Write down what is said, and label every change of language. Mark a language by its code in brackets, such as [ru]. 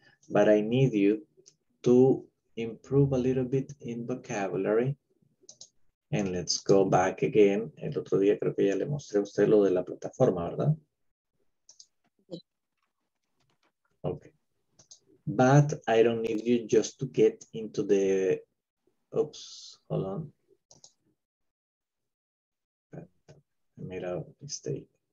[en] But I need you to improve a little bit in vocabulary. And let's go back again. [es] El otro día creo que ya le mostré a usted lo de la plataforma, ¿verdad? [en] Okay. But I don't need you just to get into the... Oops, hold on. I made a mistake.